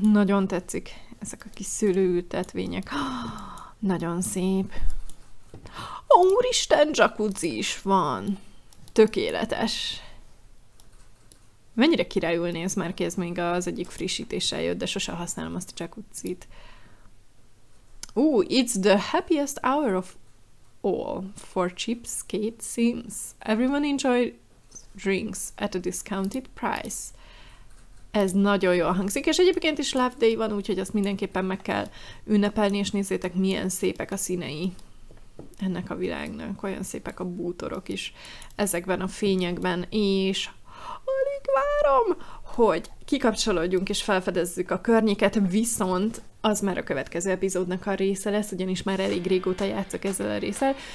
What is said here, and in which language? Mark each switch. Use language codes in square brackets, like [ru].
[hu] Nagyon tetszik ezek a kis szülőültetvények. Nagyon szép. Úristen, jacuzzi is van. Tökéletes. Mennyire királyul néz már ki, ez még az egyik frissítéssel jött, de sose használom azt a jacuzzit. [en] It's the happiest hour of all for cheapskate Sims. Everyone enjoy drinks at a discounted price. [hu] Ez nagyon jól hangzik, és egyébként is Love Day van, úgyhogy azt mindenképpen meg kell ünnepelni, és nézzétek, milyen szépek a színei ennek a világnak. Olyan szépek a bútorok is ezekben a fényekben, és alig várom, hogy kikapcsolódjunk és felfedezzük a környéket, viszont az már a következő epizódnak a része lesz, ugyanis már elég régóta játszok ezzel a résszel.